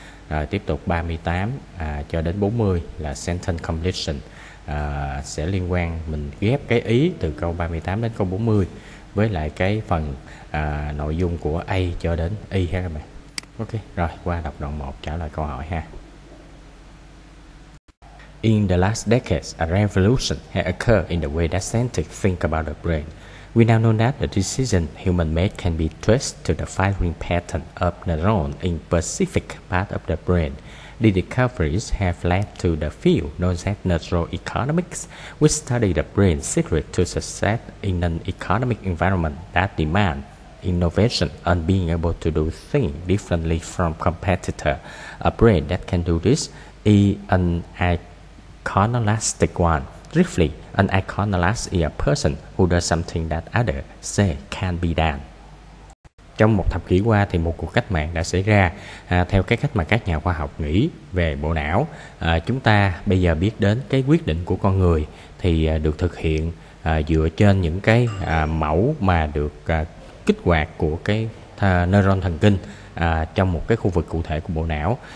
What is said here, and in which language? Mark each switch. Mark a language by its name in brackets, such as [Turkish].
[Vietnamese] Rồi tiếp tục 38 cho đến 40 là sentence completion, sẽ liên quan mình ghép cái ý từ câu 38 đến câu 40 với lại cái phần nội dung của A cho đến Y ha các bạn. Ok, rồi qua đọc đoạn 1 trả lời câu hỏi ha. [English] In the last decades, a revolution has occurred in the way that scientists think about the brain. We now know that the decision human make can be traced to the firing pattern of neurons in specific part of the brain. The discoveries have led to the field known as neuroeconomics, which study the brain's secret to success in an economic environment that demands innovation and being able to do things differently from competitors. A brain that can do this is an iconoclastic one. Briefly, an iconoclast is a person who does something that others say can be done. [Vietnamese] Trong một thập kỷ qua thì một cuộc cách mạng đã xảy ra theo cái cách mà các nhà khoa học nghĩ về bộ não. Chúng ta bây giờ biết đến cái quyết định của con người thì được thực hiện dựa trên những cái mẫu mà được kích hoạt của cái neuron thần kinh trong một cái khu vực cụ thể của bộ não.